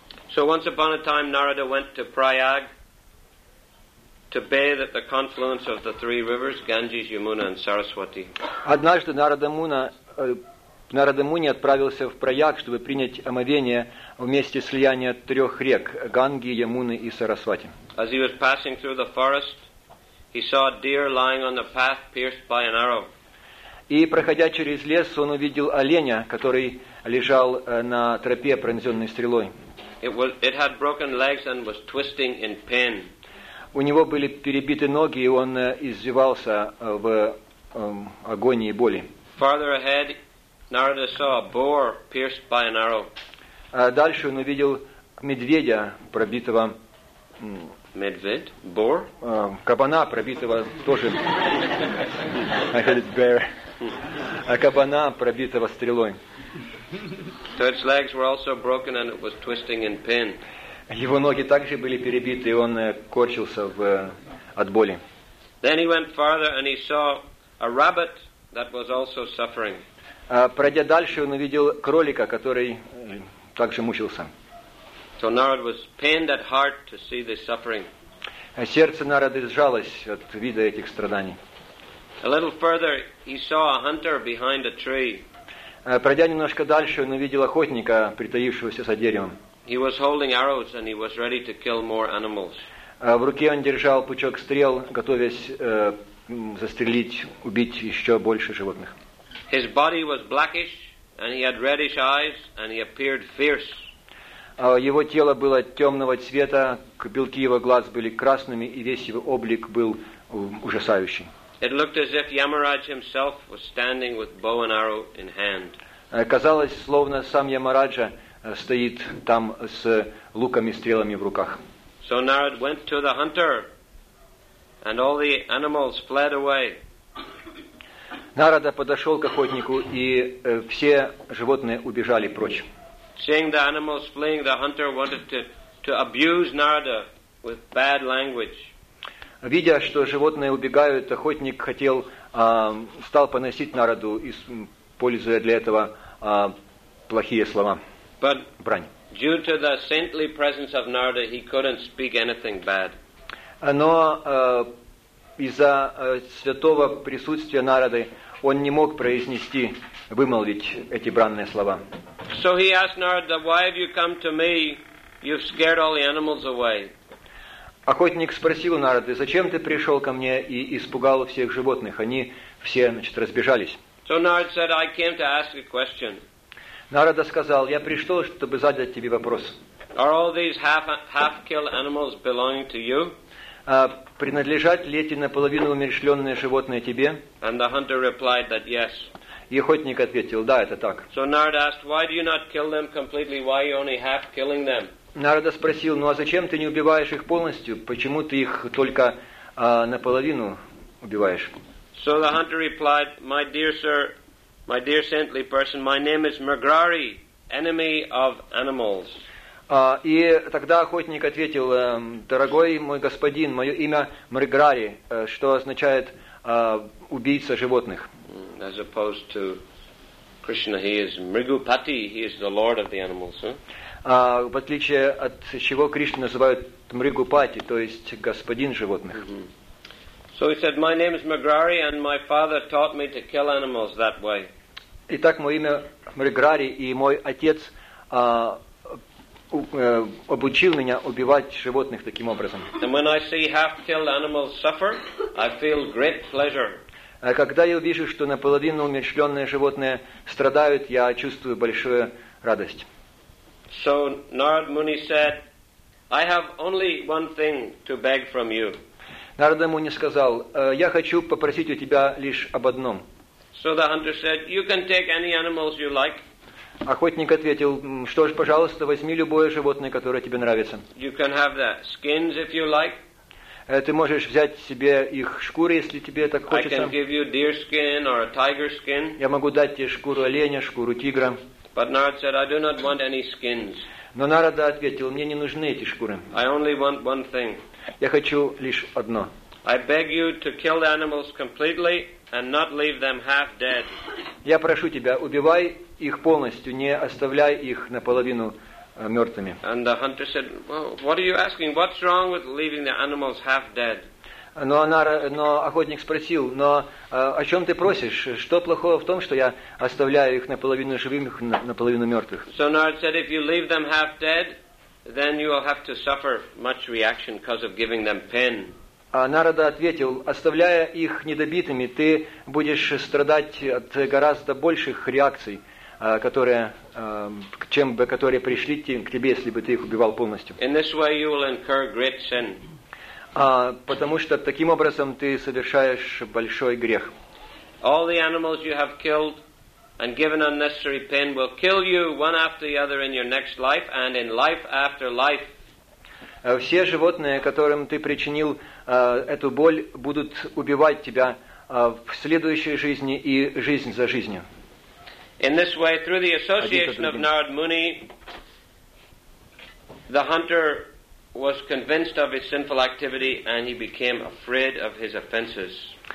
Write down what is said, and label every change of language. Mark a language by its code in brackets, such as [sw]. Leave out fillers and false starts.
[en] So once upon a time Narada went to Prayag to bathe at the confluence of the three rivers, Ganges, Yamuna and Saraswati. [ru] Однажды Нарада Муни отправился в Прояг, чтобы принять омовение в месте слияния трех рек – Ганги, Ямуны и Сарасвати. [en] As he was passing through the forest, he saw a deer lying on the path pierced by an arrow. [ru] И, проходя через лес, он увидел оленя, который лежал на тропе, пронзенной стрелой. [en] It had broken legs and was twisting in pain. [ru] У него были перебиты ноги, и он извивался в агонии боли. [en] Farther ahead, Narada saw a boar pierced by an arrow. [ru] Дальше он увидел медведя, пробитого... Медведь? [en] Boar? [ru] Кабана, пробитого тоже... [en] I had it bear. [ru] Кабана, пробитого стрелой. [en] So its legs were also broken and it was twisting in pain. [ru] Его ноги также были перебиты, и он корчился от боли. [en] Then he went farther and he saw a rabbit that was also suffering. [ru] Пройдя дальше, он увидел кролика, который также мучился. [en] So Narada was pained at heart to see this suffering. [ru] Сердце Нарады сжалось от вида этих страданий. [en] A little further, he saw a hunter behind a tree. [ru] Пройдя немножко дальше, он увидел охотника, притаившегося за деревом. [en] He was holding arrows and he was ready to kill more animals. [ru] В руке он держал пучок стрел, готовясь застрелить, убить еще больше животных. [en] His body was blackish, and he had reddish eyes, and he appeared fierce. [ru] Его тело было темного цвета, белки его глаз были красными, и весь его облик был ужасающий. [en] It looked as if Yamaraj himself was standing with bow and arrow in hand. [ru] Казалось, словно сам Ямараджа стоит там с луками и стрелами в руках. [en] So Narada went to the hunter, and all the animals fled away. [ru] Нарада подошел к охотнику, и все животные убежали прочь. [en] Seeing the animals fleeing, the hunter wanted to abuse Narada with bad language. [ru] Видя, что животные убегают, охотник хотел стал поносить Нараду, используя для этого плохие слова. [en] But [ru] брань. [en] Due to the saintly presence of Narada, he couldn't speak anything bad. [ru] Но из-за святого присутствия Нарады он не мог произнести, вымолвить эти бранные слова. [en] So he asked Narada, "Why have you come to me? You've scared all the animals away." [ru] Охотник спросил Нарады, зачем ты пришел ко мне и испугал всех животных? Они все, значит, разбежались. [en] So Narada said, "I came to ask a question." [ru] Нарада сказал, я пришел, чтобы задать тебе вопрос. [en] Are all these half-killed animals belonging to you? [ru] Принадлежат ли эти наполовину умерщвленные животные тебе? [en] And the hunter replied that yes. [ru] И охотник ответил, да, это так. [en] So Narada asked, why do you not kill them completely? Why are you only half-killing them? [ru] Нарада спросил, ну а зачем ты не убиваешь их полностью? Почему ты их только наполовину убиваешь? [en] So the hunter replied, my dear sir, my dear saintly person, my name is Mrgrari, enemy of animals. [ru] И тогда охотник ответил, дорогой мой господин, мое имя Мрграри, что означает убийца животных. [en] As opposed to Krishna, he is Mrgupati, he is the lord of the animals. [ru] В отличие от чего Кришна называют Мрыгупати, то есть господин животных. Mm-hmm. [en] So he said, my name is Mrgrari and my father taught me to kill animals that way. [ru] Итак, мое имя Мрграри, и мой отец обучил меня убивать животных таким образом. [en] And when I see half-killed animals suffer, I feel great pleasure. [ru] Когда я вижу, что наполовину умерщвленные животные страдают, я чувствую большую радость. [en] So Narada Muni said, I have only one thing to beg from you. [ru] Нарада Муни сказал, я хочу попросить у тебя лишь об одном. [en] So the hunter said, you can take any animals you like. [ru] Охотник ответил, что ж, пожалуйста, возьми любое животное, которое тебе нравится. [en] You can have the skins if you like. [ru] Ты можешь взять себе их шкуры, если тебе так хочется. [en] I can give you deer skin or a tiger skin. [ru] Я могу дать тебе шкуру оленя, шкуру тигра. [en] But Narada said, I do not want any skins. [ru] Но Нарада ответил, мне не нужны эти шкуры. [en] I only want one thing. [ru] Я хочу лишь одно. [en] I beg you to kill the animals completely and not leave them half dead. [ru] Я прошу тебя, убивай их полностью, не оставляй их наполовину мертвыми. [en] And the hunter said, well, what are you asking? What's wrong with leaving the animals half dead? [ru] Но охотник спросил, но о чем ты просишь? Что плохого в том, что я оставляю их наполовину живых, наполовину мертвых? [en] So Narada said, if you leave them half dead, then you will have to suffer much reaction because of giving them pain. [ru] А Нарада ответил, оставляя их недобитыми, ты будешь страдать от гораздо больших реакций, которые пришли к тебе, если бы ты их убивал полностью. [en] In this way you will incur great sin. [ru] Потому что таким образом ты совершаешь большой грех. [en] All the animals you have killed and given unnecessary pain will kill you one after the other in your next life and in life after life. [ru] Все животные, которым ты причинил эту боль, будут убивать тебя в следующей жизни и жизнь за жизнью. [en] In this way, through the association of Narada Muni, the hunter was convinced of his sinful activity and he became afraid of his offenses.